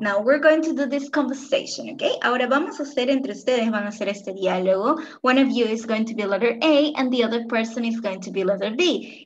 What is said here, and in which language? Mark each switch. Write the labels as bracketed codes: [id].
[en] Now we're going to do this conversation, okay? [es] Ahora vamos a hacer entre ustedes, van a hacer este diálogo. [en] One of you is going to be letter A and the other person is going to be letter B.